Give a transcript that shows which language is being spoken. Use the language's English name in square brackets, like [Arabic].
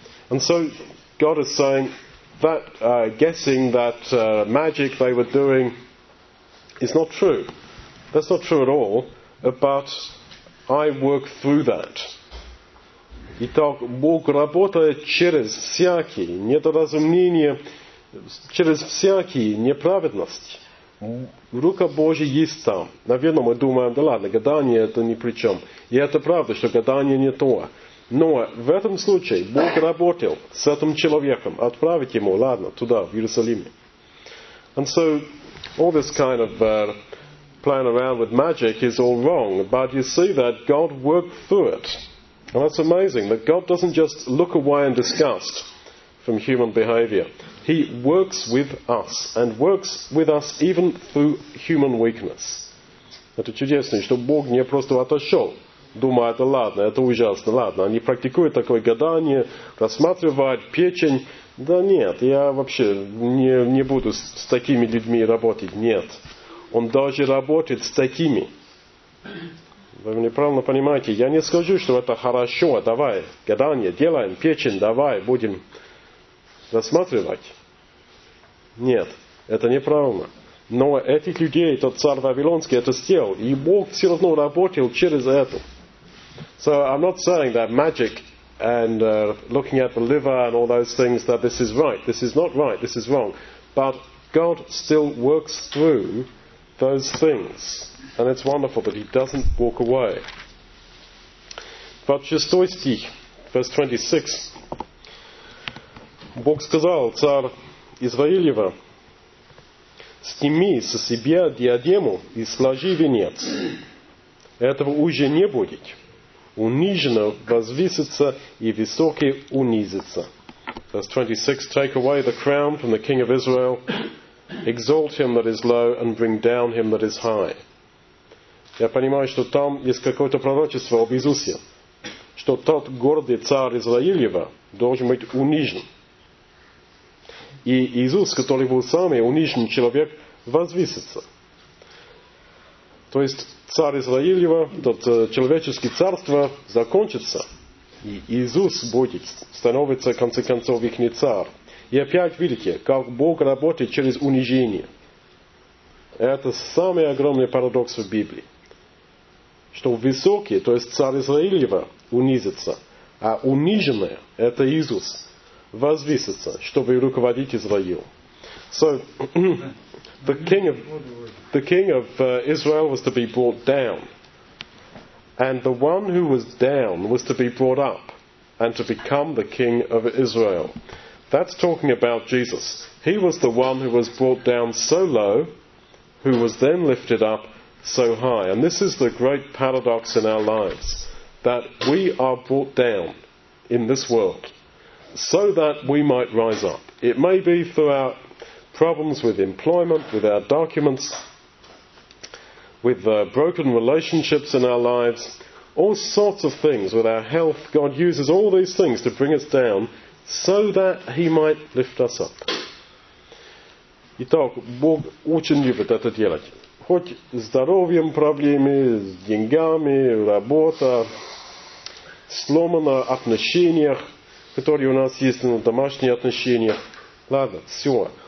[English] And so God is saying that guessing that magic they were doing is not true. That's not true at all, but I work through that. [Russian] Итак, Бог работает через всякие недоразумения, через всякие неправедности. Рука Божья есть там. Наверное, мы думаем, да ладно, гадание это ни при чем. И это правда, что гадание не то. Но в этом случае Бог работал с этим человеком. Отправить ему, ладно, туда, в Иерусалиме. [English] And so, all this kind of playing around with magic is all wrong. But you see that God worked through it. And that's amazing that God doesn't just look away in disgust from human behavior. He works with us, and works with us even through human weakness. [Russian] Это чудесно, что Бог не просто отошел, думая, это ладно, это ужасно, ладно, они практикуют такое гадание, рассматривают печень. Да нет, я вообще не буду с такими людьми работать, нет. Он даже работает с такими. Вы меня правильно понимаете, я не скажу, что это хорошо, давай, гадание, делаем, печень, давай, будем рассматривать. Нет, это неправильно. Но этих людей, тот царь Вавилонский, это сделал, и Бог все равно работал через это. [English] So I'm not saying that magic and looking at the liver and all those things, that this is right, this is not right, this is wrong. But God still works through those things. And it's wonderful that he doesn't walk away. Verse 26. [Russian] Бог сказал, царь Израилева, сними со себя диадему и сложи венец. Этого уже не будет. Униженно возвысится и высокий унизится. [English] Verse 26. Take away the crown from the king of Israel. Exalt him that is low and bring down him that is high. [Russian] Я понимаю, что там есть какое-то пророчество об Иисусе, что тот гордый царь Израилева должен быть унижен. И Иисус, который был самый унижен человек, возвысится. То есть, царь Израилева, тот человеческое царство закончится. И Иисус будет, становится, в конце концов, их царь. И опять видите, как Бог работает через унижение. Это самый огромный парадокс в Библии. Что высокий, то есть царь Израилева, унизится, а униженный, это Иисус, возвысится, чтобы руководить Израилем. [English] So, the king of Israel was to be brought down. And the one who was down was to be brought up and to become the king of Israel. That's talking about Jesus. He was the one who was brought down so low, who was then lifted up so high. And this is the great paradox in our lives, that we are brought down in this world so that we might rise up. It may be through our problems with employment, with our documents, with broken relationships in our lives, all sorts of things, with our health. God uses all these things to bring us down so that he might lift us up. [Russian] Итак, Бог очень любит это делать. Хоть с здоровьем проблемы, с деньгами, работа, сломано в отношениях, которые у нас есть на домашних отношениях. Ладно, все.